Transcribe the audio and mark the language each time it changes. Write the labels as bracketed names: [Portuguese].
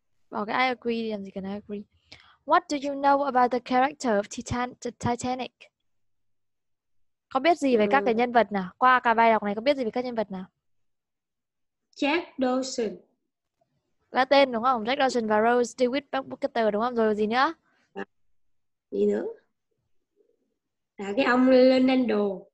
[Vietnamese] Bỏ cái I agree đi làm gì cần I agree. [English] What do you know about the character of Titanic? [Vietnamese] Có biết gì về các cái nhân vật nào? Qua cả bài đọc này có biết gì về các nhân vật nào? [English] Jack Dawson. [Vietnamese] Là tên đúng không? Jack Dawson và Rose DeWitt Bucketter đúng không? Rồi gì nữa? Gì nữa? Là cái ông Leonardo.